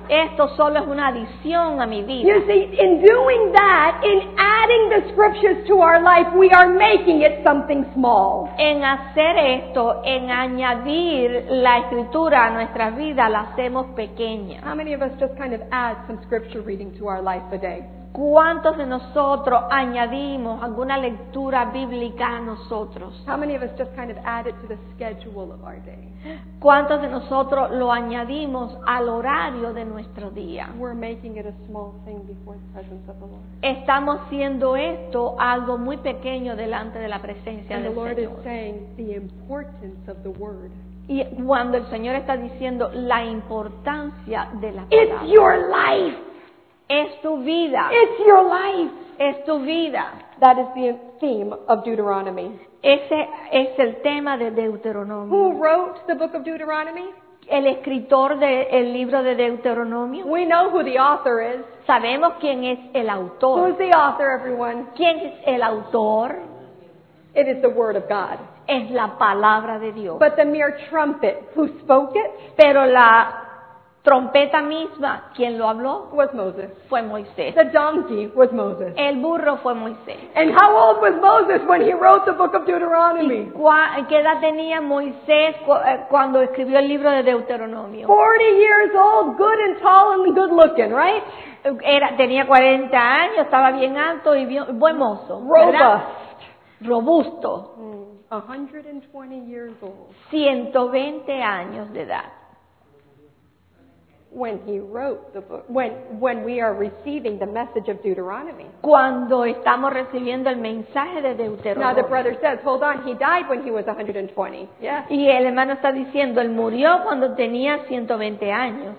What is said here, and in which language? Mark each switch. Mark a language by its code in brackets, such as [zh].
[es] Esto solo es una adición a mi vida. [en] You see, in doing that, in adding the scriptures to our life, we are making it something small. [es] En hacer esto, en añadir la escritura a nuestra vida, la hacemos pequeña. [en] How many of us just kind of add some scripture reading to our life a day? [es] ¿Cuántos de nosotros añadimos alguna lectura bíblica a nosotros? [en] How many of us just kind of add it to the schedule of our day? [es] ¿Cuántos de nosotros lo añadimos al horario de nuestro día? [en] We're making it a small thing before the presence of the Lord. [es] Estamos haciendo esto algo muy pequeño delante de la presencia [en] and [es] del [en] Lord [es] Señor. [en] And the Lord is saying the importance of the word. [es] Y cuando el Señor está diciendo la importancia de la palabra. [en] It's your life. [es] Es tu vida. [en] It's your life. [es] Es tu vida. [en] That is the theme of Deuteronomy. [es] Ese es el tema de Deuteronomio. [en] Who wrote the book of Deuteronomy? [es] El escritor del libro de Deuteronomio. [en] We know who the author is. [es] Sabemos quién es el autor. [en] Who's the author, everyone? [es] ¿Quién es el autor? [en] It is the Word of God. [es] es la palabra de Dios. [en] But the mere trumpet, who spoke it? [es] Pero la trompeta misma, ¿quién lo habló? [en] Was Moses. [es] Fue Moisés. [en] The donkey was Moses. [es] El burro fue Moisés. [en] And how old was Moses when he wrote the book of Deuteronomy? [es] ¿Qué edad tenía Moisés cuando escribió el libro de Deuteronomio? [en] 40 years old, good and tall and good looking, right? [es] Tenía 40 años, estaba bien alto y bien, buen mozo. [en] Robust. [es] Robusto. [en] 120 years old. [es] 120 años de edad. [en] When he wrote the book, when we are receiving the message of Deuteronomy. [es] Cuando estamos recibiendo el mensaje de Deuteronomio. [en] Now the brother says, hold on, he died when he was 120. Yeah. [es] Y el hermano está diciendo, él murió cuando tenía 120 años.